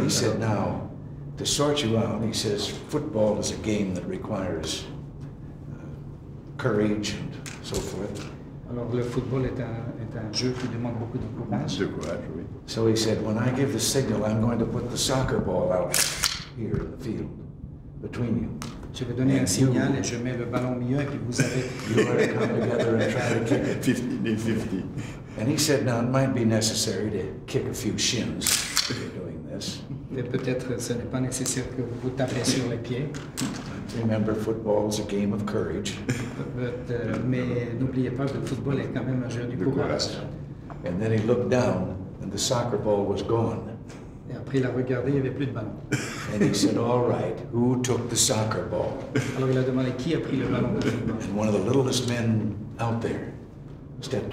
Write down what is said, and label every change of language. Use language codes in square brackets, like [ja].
[en] He said, now, to sort you out, he says, football is a game that requires courage and so forth. [fr] Alors le football est un jeu qui demande beaucoup de courage. [en] So he said, when I give the signal, I'm going to put the soccer ball out here in the field between you. [fr] Je vais donner un signal et je mets le ballon au milieu et puis vous avez... [en] You are to come together and try to kick it. 50-50. And he said, now, it might be necessary to kick a few shins if you're doing this. [fr] Mais peut-être ce n'est pas nécessaire que vous tapez sur les pieds. [en] Remember, football is a game of courage. [fr] Mais n'oubliez pas que le football est quand même un jeu du courage. [en] And then he looked down and the soccer ball was gone. [fr] Et après, il a regardé, il n'y avait plus de ballon. [en] And he said, all right, who took the soccer ball? [fr] Alors il a demandé, qui a pris le ballon de football? [en] And one of the littlest men out there stepped